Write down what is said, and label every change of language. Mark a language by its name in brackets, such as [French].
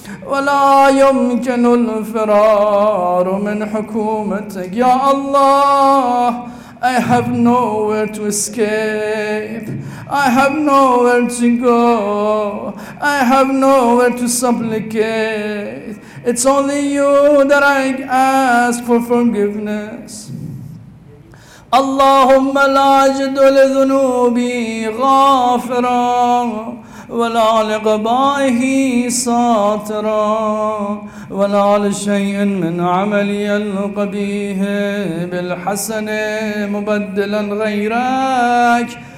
[Arabic] ولا يمكن الفرار من حكومتك. يا الله, [English] I have nowhere to escape. I have nowhere to go. I have nowhere to supplicate. It's only you that I ask for forgiveness. [Arabic] اللهم لا أجد لذنوبي غافرا ولا لغبائه ساترا ولا لشيء من عملي القبيح بالحسن مبدلا غيرك.